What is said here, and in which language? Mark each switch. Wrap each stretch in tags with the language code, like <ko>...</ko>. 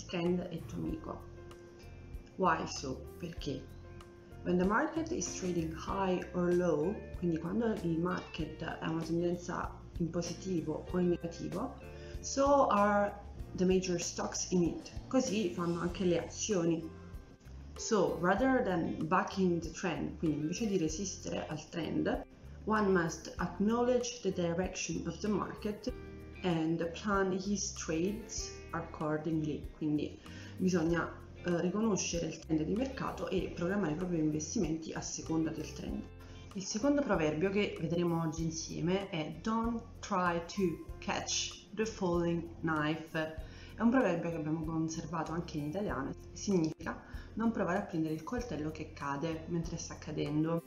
<it>Il trend è tuo amico.</it> <en>Why so?</en> <it>Perché?</it> <en>When the market is trading high or low,</en> <it>quindi quando il market ha una tendenza in positivo o in negativo,</it> <en>so are the major stocks in it.</en> <it>Così fanno anche le azioni.</it> <en>So, rather than bucking the trend,</en> <it>quindi invece di resistere al trend,</it> <en>one must acknowledge the direction of the market and plan his trades accordingly.</en> <it>Quindi bisogna riconoscere il trend di mercato e programmare i propri investimenti a seconda del trend. Il secondo proverbio che vedremo oggi insieme è</it> <en>Don't try to catch the falling knife.</en> <it>È un proverbio che abbiamo conservato anche in italiano. Significa non provare a prendere il coltello che cade mentre sta cadendo.</it>